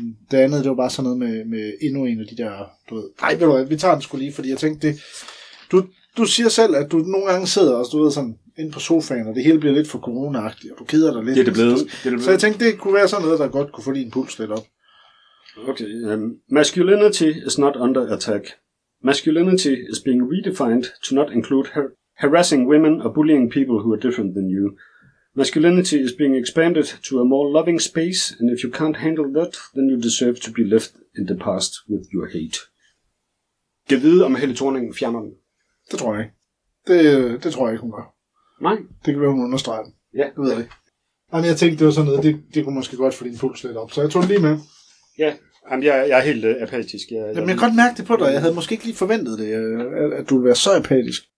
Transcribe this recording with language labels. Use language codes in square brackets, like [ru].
[da] Det andet, det var bare sådan noget med endnu en af de der, du ved. Ej, ved du hvad, vi tager den sgu lige, fordi jeg tænkte, det, du siger selv, at du nogle gange sidder også, du ved, sådan ind på sofaen, og det hele bliver lidt for corona-agtigt, og du keder dig lidt. Det er det blevet. Så jeg tænkte, det kunne være sådan noget, der godt kunne få din puls lidt op. Okay. [en] Masculinity is not under attack. Masculinity is being redefined to not include harassing women or bullying people who are different than you. Masculinity is being expanded to a more loving space, and if you can't handle that, then you deserve to be left in the past with your hate. [da] Giv vide, om Helle Thorning fjerner den. Det tror jeg ikke. Det tror jeg ikke, hun gør. Nej. Det kan være, hun understreger den. Ja. Det ved jeg ikke. Jamen, jeg tænkte, det var sådan noget, det kunne måske godt få din puls lidt op. Så jeg tog den lige med. Ja, jamen, jeg er helt apatisk. Jamen, jeg kan godt mærke det på dig. Jeg havde måske ikke lige forventet det, at du ville være så apatisk.